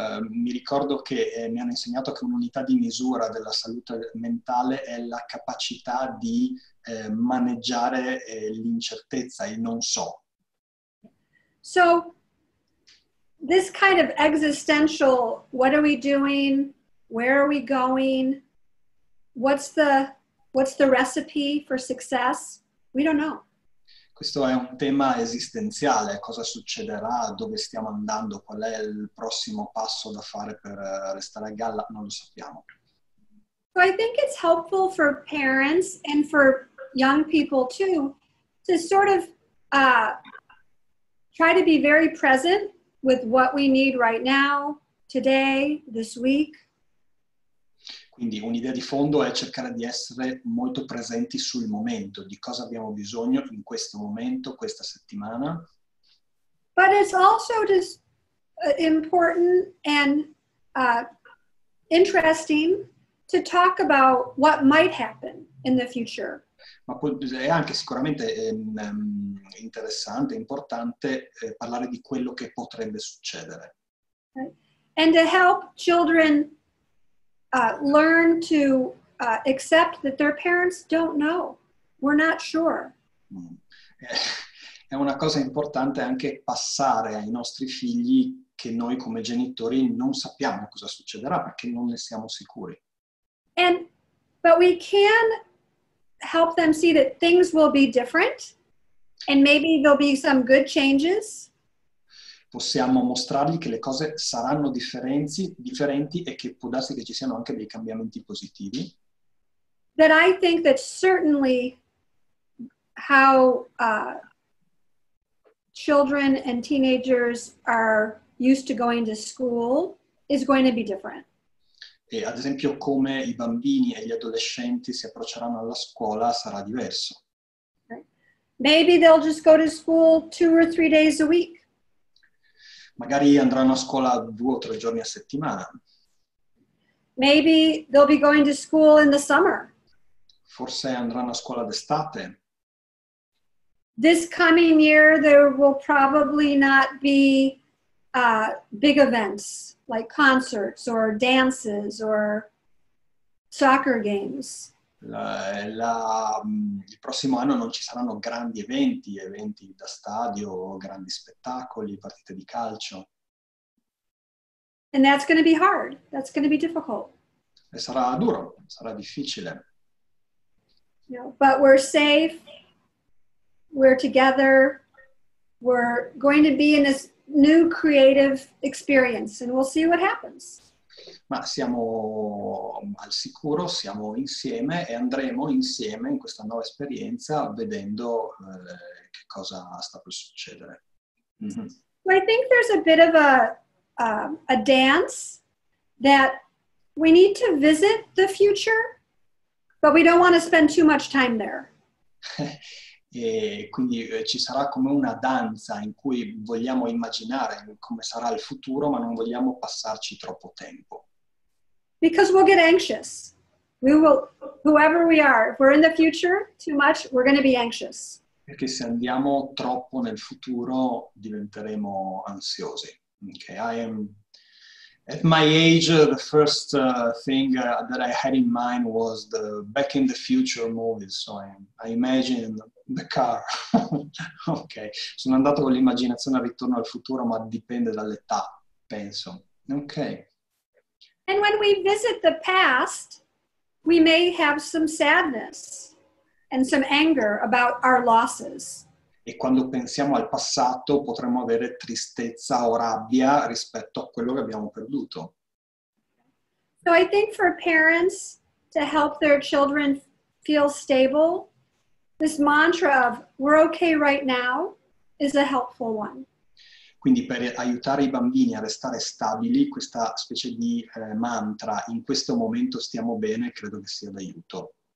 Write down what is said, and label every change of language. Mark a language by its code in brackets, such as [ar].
[it] Mi ricordo che mi hanno insegnato che un'unità di misura della salute mentale è la capacità di maneggiare l'incertezza, il non so. [en] So, this kind of existential, what are we doing? Where are we going? What's the recipe for success? We don't know. [it] Questo è un tema esistenziale. Cosa succederà? Dove stiamo andando? Qual è il prossimo passo da fare per restare a galla? Non lo sappiamo. [en] So I think it's helpful for parents and for young people too to sort of try to be very present with what we need right now, today, this week. [it] Quindi un'idea di fondo è cercare di essere molto presenti sul momento, di cosa abbiamo bisogno in questo momento, questa settimana. [en] But it's also just important and interesting to talk about what might happen in the future. [it] Ma è anche sicuramente interessante, importante parlare di quello che potrebbe succedere. [en] And to help children learn to accept that their parents don't know. We're not sure. [it] È una cosa importante anche passare ai nostri figli che noi come genitori non sappiamo cosa succederà perché non ne siamo sicuri. [en] But we can help them see that things will be different and maybe there'll be some good changes. [it] Possiamo mostrargli che le cose saranno differenti e che può darsi che ci siano anche dei cambiamenti positivi. [en] That I think that certainly how children and teenagers are used to going to school is going to be different. [it] E ad esempio come i bambini e gli adolescenti si approcceranno alla scuola sarà diverso. [en] Maybe they'll just go to school 2 or 3 days a week. [it] Magari andranno a scuola 2 o 3 giorni a settimana. [en] Maybe they'll be going to school in the summer. [it] Forse andranno a scuola d'estate. [en] This coming year there will probably not be big events like concerts or dances or soccer games. [it] Il prossimo anno non ci saranno grandi eventi da stadio, grandi spettacoli, partite di calcio. [en] And that's going to be hard. That's going to be difficult. [it] E sarà duro, sarà difficile. [en] No, but we're safe. We're together. We're going to be in this new creative experience and we'll see what happens. [it] Ma siamo al sicuro, siamo insieme e andremo insieme in questa nuova esperienza vedendo che cosa sta per succedere. Mm-hmm. [en] Well, I think there's a bit of a dance that we need to visit the future, but we don't want to spend too much time there. [it] E quindi ci sarà come una danza in cui vogliamo immaginare come sarà il futuro, ma non vogliamo passarci troppo tempo. [en] Because we'll get anxious. We will, whoever we are, if we're in the future too much, we're going to be anxious. [it] Perché se andiamo troppo nel futuro, diventeremo ansiosi. [en] Okay, I am, at my age, the first thing that I had in mind was the Back in the Future movies. So I imagine the car. [it] Okay, sono andato con l'immaginazione al ritorno al futuro, ma dipende dall'età, penso. Okay. [en] And when we visit the past, we may have some sadness and some anger about our losses. [it] E quando pensiamo al passato, potremmo avere tristezza o rabbia rispetto a quello che abbiamo perduto. [en] So I think for parents to help their children feel stable, this mantra of "we're okay right now" is a helpful one. [it] Quindi per aiutare i bambini a restare stabili, questa specie di mantra, in questo momento stiamo bene, credo che sia d'aiuto.